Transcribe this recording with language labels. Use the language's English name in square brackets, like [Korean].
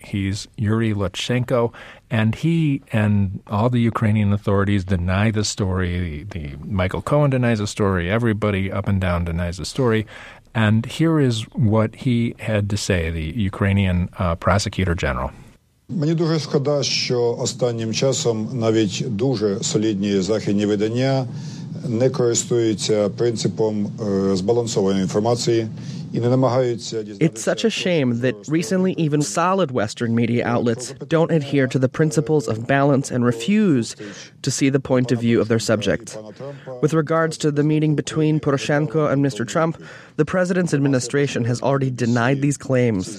[English] He's Yuri Lutsenko, and he and all the Ukrainian authorities deny the story. The Michael Cohen denies the story. Everybody up and down denies the story. And here is what he had to say, the Ukrainian prosecutor general. [Ukrainian] Мені дуже шкода, що останнім часом навіть дуже солідні західні видання не користуються принципом збалансованої інформації. [English] It's such a shame that recently even solid Western media outlets don't adhere to the principles of balance and refuse to see the point of view of their subjects. With regards to the meeting between Poroshenko and Mr. Trump, the president's administration has already denied these claims.